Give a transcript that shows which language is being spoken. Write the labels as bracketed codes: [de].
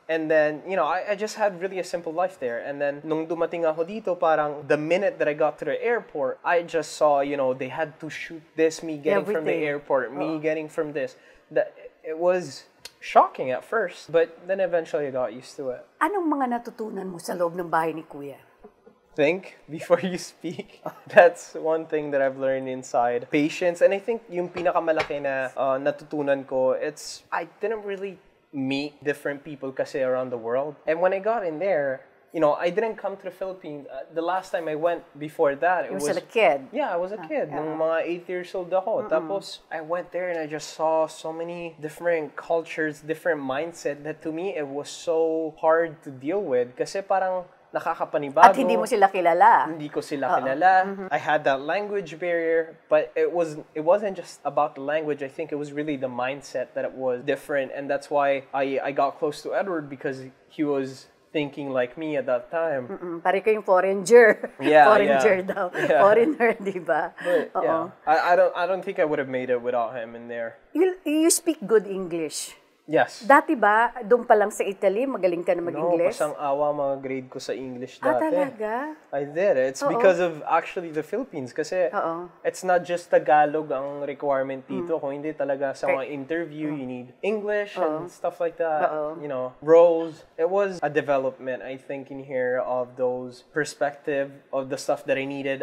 [en] And then, you know, I just had really a simple life there. And then, [tl] nung dumating ako dito, parang [en] the minute that I got to the airport, I just saw, you know, they had to shoot this, me getting everything from the airport, me getting from this. That it was shocking at first, but then eventually I got used to it. [tl] Anong mga natutunan mo sa loob ng bahay ni Kuya? [en] Think before you speak. That's one thing that I've learned inside. Patience. And I think [tl] yung pinakamalaki na natutunan ko, [en] it's, I didn't really meet different people kasi around the world. And when I got in there, you know, I didn't come to the Philippines. The last time I went before that, it was a kid. Yeah, I was a kid. Yeah. [tl] Nung mga 8 years old ako. [en] Tapos, I went there and I just saw so many different cultures, different mindset that to me, it was so hard to deal with. [tl] Kasi parang nakakapanibago. At hindi mo sila kilala. Hindi ko sila kilala. Mm-hmm. [en] I had that language barrier, but it wasn't just about the language. I think it was really the mindset that it was different, and that's why I got close to Edward because he was thinking like me at that time. [tl] Mm-mm. Pare kayong foreigner. [en] Yeah, foreigner [tl] daw. Yeah. Foreigner, diba? [en] But, yeah. I don't think I would have made it without him in there. You speak good English. Yes. [tl] Dati ba, doon pa lang sa Italy, magaling ka na mag-English? No, pasang awa mga grade ko sa English dati. Ah, talaga? [en] I did. It's because of actually the Philippines. Kasi it's not just Tagalog [tl] ang requirement dito. Kung hindi talaga sa mga interview, [en] you need English and stuff like that. You know, roles. It was a development, I think, in here of those perspective of the stuff that I needed.